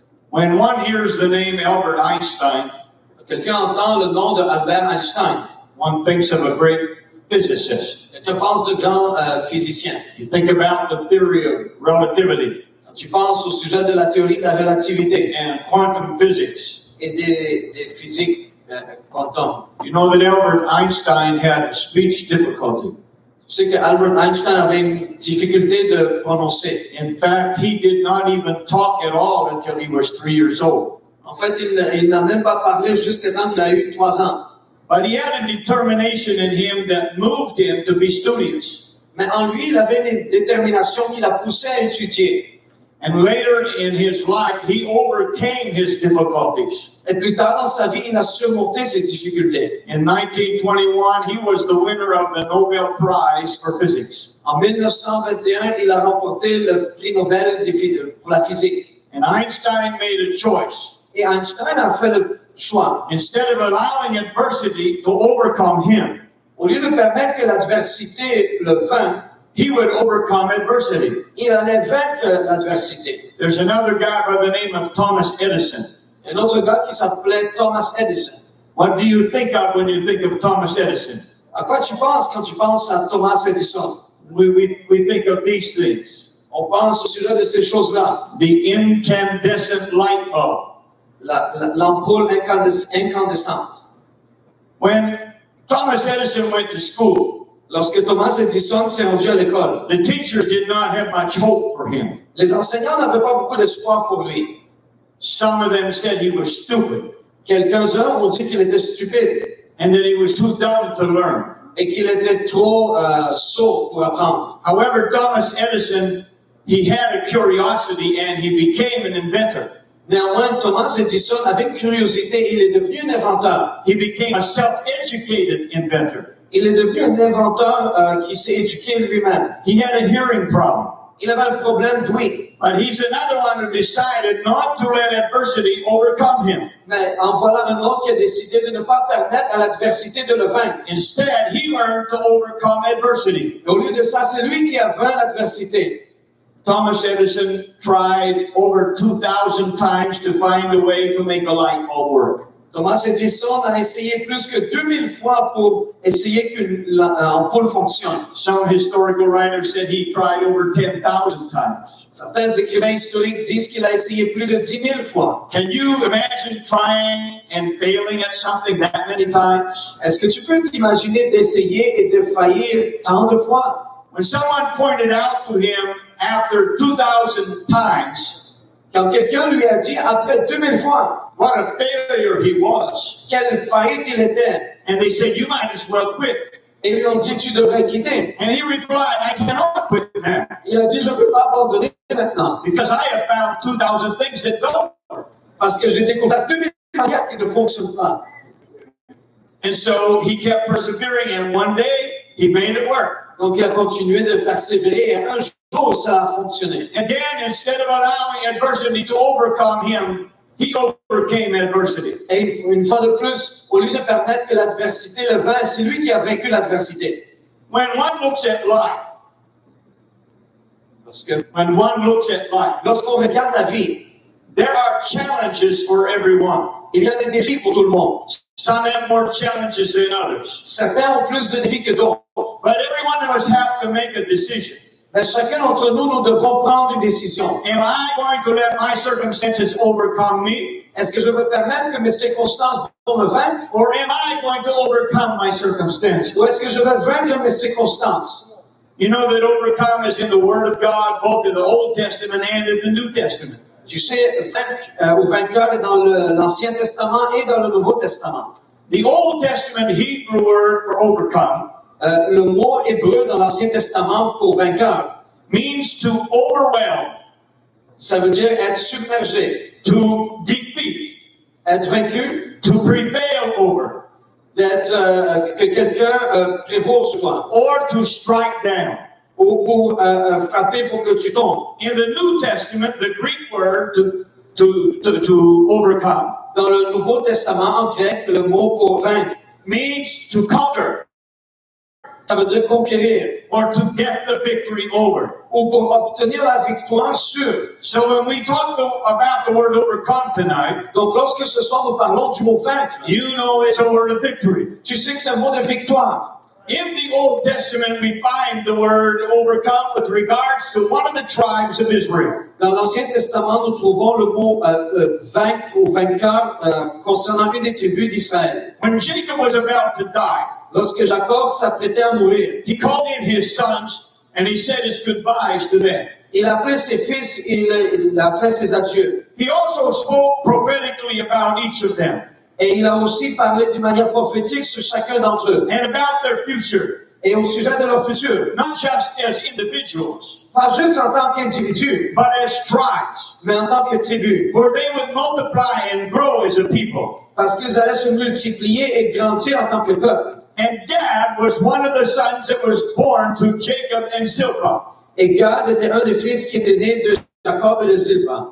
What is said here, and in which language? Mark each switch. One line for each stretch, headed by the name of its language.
English: When one hears the name Albert Einstein,
French: quelqu'un entend le nom de Albert Einstein,
English: one thinks of a great physicist.
French: Quand tu penses de grand physicien.
English: You think about the theory of relativity.
French: Quand tu penses au sujet de la théorie de la relativité.
English: And quantum physics.
French: Et des physiques quantum.
English: You know that Albert Einstein had a speech difficulty.
French: Tu sais que Albert Einstein avait une difficulté de prononcer.
English: In fact, he did not even talk at all until he was 3 years old.
French: En fait, il n'a même pas parlé jusqu'à temps qu'il a eu 3 ans.
English: But he had a determination in him that moved him to be studious.
French: Mais en lui, il avait une détermination qui l'a poussé à étudier.
English: And later in his life, he overcame his difficulties.
French: Et plus tard dans sa vie, il a surmonté ses difficultés.
English: In 1921, he was the winner of the Nobel Prize for Physics.
French: En 1921, il a remporté le prix Nobel pour la physique.
English: And Einstein made a choice.
French: Et Einstein a fait le choix.
English: Instead of allowing adversity to overcome him,
French: au lieu de permettre que l'adversité le vainque,
English: he would overcome adversity.
French: Il allait vaincre l'adversité.
English: There's another guy by the name of Thomas Edison.
French: Un autre gars qui s'appelait Thomas Edison.
English: What do you think of when you think of Thomas Edison?
French: À quoi tu penses quand tu penses à Thomas Edison?
English: We think of these things.
French: On pense au sujet de ces choses-là.
English: The incandescent light bulb.
French: L'ampoule incandescente.
English: When Thomas Edison went to school,
French: lorsque Thomas Edison s'est rendu à l'école,
English: the teachers did not have much hope for him.
French: Les enseignants n'avaient pas beaucoup d'espoir pour lui.
English: Some of them said he was stupid.
French: Quelques-uns ont dit qu'il était stupide.
English: And that he was too dumb to learn.
French: Et qu'il était trop sot pour apprendre.
English: However, Thomas Edison, he had a curiosity and he became an inventor.
French: Néanmoins, Thomas Edison, avec curiosité, il est devenu un inventeur.
English: He became a self-educated inventor.
French: Il est devenu un inventeur qui s'est éduqué lui-même.
English: He had a hearing problem.
French: Il avait un problème d'ouïe.
English: But he's another one who decided not to let adversity overcome him.
French: Mais en voilà un autre qui a décidé de ne pas permettre à l'adversité de le vaincre.
English: Instead, he learned to overcome adversity.
French: Et au lieu de ça, c'est lui qui a vaincu l'adversité.
English: Thomas Edison tried over 2,000 times to find a way to make a light bulb work.
French: Thomas Edison a essayé plus que 2,000 fois pour essayer qu'une ampoule fonctionne.
English: Some historical writers said he tried over 10,000 times.
French: Certains écrivains historiques disent qu'il a essayé plus de 10,000 fois.
English: Can you imagine trying and failing at something that many times?
French: Est-ce que tu peux t'imaginer d'essayer et de faillir tant de fois?
English: When someone pointed out to him after 2,000 times,
French: quand quelqu'un lui a dit après 2,000 fois,
English: what a failure he was.
French: Quelle faillite il était.
English: And they said, you might as well quit.
French: Et lui ont dit, tu devrais quitter.
English: And he replied, I cannot quit, man.
French: Il a dit, je ne peux pas abandonner maintenant.
English: Because I have found 2,000 things that don't work.
French: Parce que j'ai découvert 2,000 manières qui ne fonctionnent pas.
English: And so he kept persevering, and one day he made it work.
French: Donc il a continué de persévérer et un jour ça a fonctionné.
English: Again, instead of allowing adversity to overcome him, he overcame adversity.
French: Et une fois de plus, au lieu de permettre que l'adversité le vainque, c'est lui qui a vaincu l'adversité.
English: When one looks at life,
French: lorsqu'on regarde la vie,
English: there are challenges for everyone.
French: Il y a des défis pour tout le monde.
English: Some have more challenges than others.
French: Certains ont plus de défis que d'autres.
English: But everyone of us have to make a decision.
French: Mais chacun d'entre nous, nous devons prendre une décision.
English: Am I going to let my circumstances overcome me?
French: Est-ce que je veux permettre que mes circonstances vont me vaincre?
English: Or am I going to overcome my circumstances?
French: Ou est-ce que je veux vaincre mes circonstances?
English: You know that overcome is in the Word of God, both in the Old Testament and in the New Testament.
French: Tu sais, vainqueur est dans l'Ancien Testament et dans le Nouveau Testament.
English: The Old Testament Hebrew word for overcome,
French: le mot hébreu dans l'Ancien Testament pour vainqueur,
English: means to overwhelm.
French: Ça veut dire être submergé.
English: To defeat.
French: Être vaincu.
English: To prevail over.
French: D'être que quelqu'un prévaut sur toi.
English: Or to strike down.
French: Ou pour frapper pour que tu tombes.
English: In the New Testament, the Greek word to overcome.
French: Dans le Nouveau Testament en grec, le mot pour vaincre
English: means to conquer.
French: Ça veut dire conquérir.
English: Or to get the victory over.
French: Ou pour obtenir la victoire sur.
English: So when we talk about the word overcome tonight,
French: donc lorsque ce soir nous parlons du mot vaincre,
English: you know it's a word of victory.
French: Tu sais que c'est un mot de victoire.
English: In the Old Testament, we find the word overcome with regards to one of the tribes of Israel.
French: Dans l'Ancien Testament, nous trouvons le mot vaincre ou vainqueur concernant une des tribus d'Israël.
English: When Jacob was about to die,
French: lorsque Jacob s'apprêtait à mourir,
English: he called in his sons and he said his goodbyes to them.
French: Il a pris ses fils et il a fait ses adieux.
English: He also spoke prophetically about each of them.
French: Et il a aussi parlé d'une manière prophétique sur chacun d'entre eux.
English: And about their future.
French: Et au sujet de leur futur.
English: Not just as individuals.
French: Pas juste en tant qu'individus.
English: But as tribes.
French: Mais en tant que tribus.
English: For they would multiply and grow as a people.
French: Parce qu'ils allaient se multiplier et grandir en tant que peuple.
English: And Gad was one of the sons that was born to Jacob and Zilpah.
French: Et Gad était un des fils qui était né de Jacob et de Zilpah.